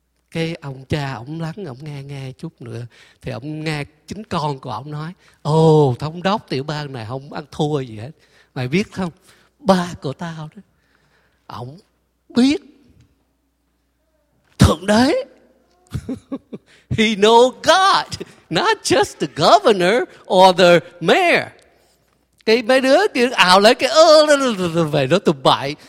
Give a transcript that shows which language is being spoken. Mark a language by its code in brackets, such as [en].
[vi] Cái ông cha ông lắng, ông nghe chút nữa, thì ông nghe chính con của ông nói: ồ, thống đốc tiểu bang này không ăn thua gì hết. Mày biết không, ba của tao đó, ông biết thượng đế. [en] He know God, not just the governor or the mayor. [vi] Cái mấy đứa kia ào lấy cái về đó tụi bại.